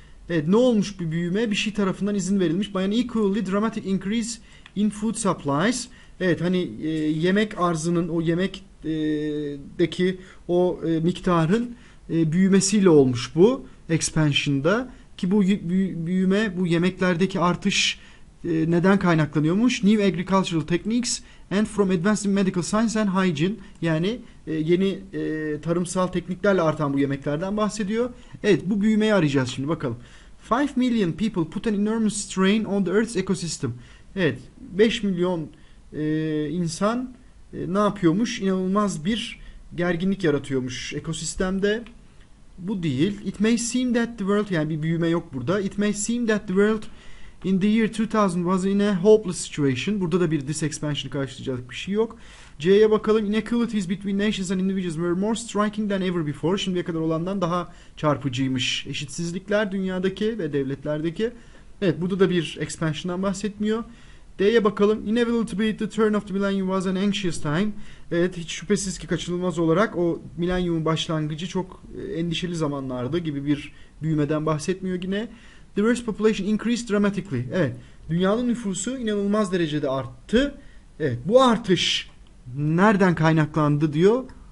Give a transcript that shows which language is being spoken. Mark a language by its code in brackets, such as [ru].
[tr] Evet, ne olmuş bir büyüme? Bir şey tarafından izin verilmiş. [en] By an equally dramatic increase in food supplies. [tr] Evet, hani yemek arzının, o yemekteki o miktarın büyümesiyle olmuş bu expansion'da. Ki bu büyüme, bu yemeklerdeki artış neden kaynaklanıyormuş? [en] New agricultural techniques and from advanced medical science and hygiene. [tr] Yani yeni tarımsal tekniklerle artan bu yemeklerden bahsediyor. Evet, bu büyümeyi arayacağız şimdi bakalım. [en] 5 million people put an enormous strain on the Earth's ecosystem. [tr] Evet, 5 milyon insan ne yapıyormuş? İnanılmaz bir gerginlik yaratıyormuş ekosistemde. Bu değil. [en] It may seem that the world, [tr] yani bir büyüme yok burada. [en] It may seem that the world in the year 2000 was in a hopeless situation. [tr] Burada da bir this expansion karşılayacak bir şey yok. C'ye bakalım. [en] Inequalities between nations and individuals were more striking than ever before. [tr] Şimdiye kadar olandan daha çarpıcıymış. Eşitsizlikler dünyadaki ve devletlerdeki. Evet, burada da bir expansion'dan bahsetmiyor. D'ye bakalım. [en] Inevitably the turn of the millennium was an anxious time. [tr] Evet, hiç şüphesiz ki kaçınılmaz olarak o milenyumun başlangıcı çok endişeli zamanlardı gibi bir büyümeden bahsetmiyor yine. [en] The world's population increased dramatically. [tr] Evet. Dünyanın nüfusu inanılmaz derecede arttı. Evet. Bu artış nereden kaynaklandı diyor.